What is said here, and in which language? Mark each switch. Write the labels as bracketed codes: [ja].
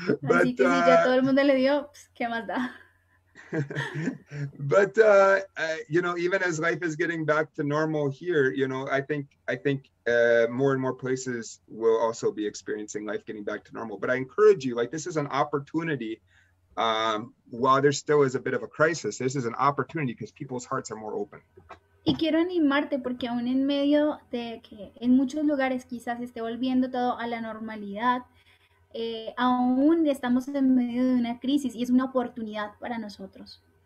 [es] Así que si ya todo el mundo le dio, pues, ¿qué más da? [en] but you know, even as life is getting back to normal here, you know, I think more and more places will also be experiencing life getting back to normal. But I encourage you, like, this is an opportunity. While there still is a bit of a crisis, this is an opportunity because people's hearts are more open. [es] Y quiero animarte porque aún en medio de que en muchos lugares quizás esté volviendo todo a la normalidad, aún estamos en medio de una crisis y es una oportunidad para nosotros.